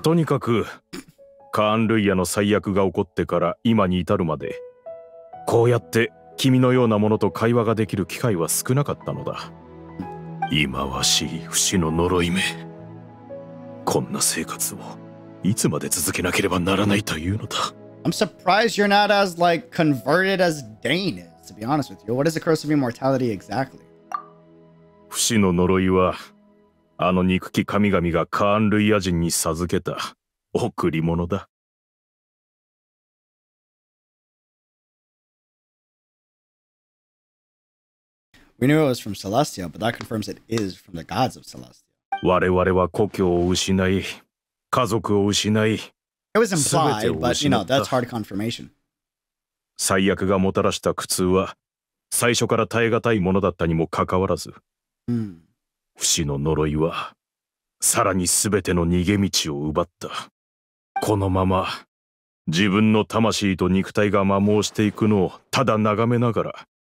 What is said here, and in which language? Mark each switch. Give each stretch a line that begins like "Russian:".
Japanese: とにかく、カーンルイヤの災厄が起こってから今に至るまで、こうやって 君のような者と会話ができる機会は少なかったのだ。忌まわしい不死の呪い目。こんな生活をいつまで続けなければならないというのだ。
English: I'm surprised you're not as like converted as Dane is, to be honest with you. What is the curse of immortality exactly?
Japanese: 不死の呪いはあの憎き神々がカーンルイア人に授けた贈り物だ。
English: We knew it was from Celestia, but that confirms it is from the gods of Celestia.
Japanese: 我々は故郷を失い、家族を失い、
English: It was implied, but you know, that's hard confirmation.
Japanese: 最悪がもたらした苦痛は、最初から耐え難いものだったにもかかわらず、不死の呪いは、さらに全ての逃げ道を奪った。このまま、自分の魂と肉体が摩耗していくのをただ眺めながら、